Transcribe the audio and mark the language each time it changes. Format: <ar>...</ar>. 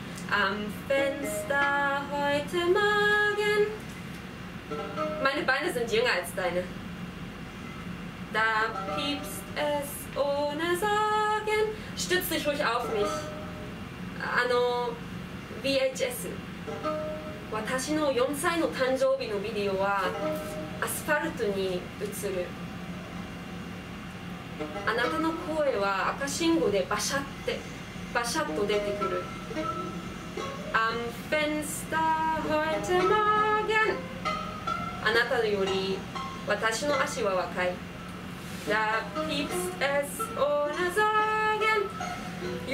<de>Am Fenster heute Morgen. Meine Beine sind jünger als deine. Da piepst es ohne Sorgen. Stütz dich ruhig auf mich. Anno VHS.</de> <ja>私の4歳の誕生日のビデオはアスファルトに映る。あなたの声は赤信号でバシャってバシャッと出てくる。</ja> <de>Am Fenster heute Morgen。</de> <ja>あなたより私の足は若い。</ja> <de>Da piepst es ohne Sorgen。</de>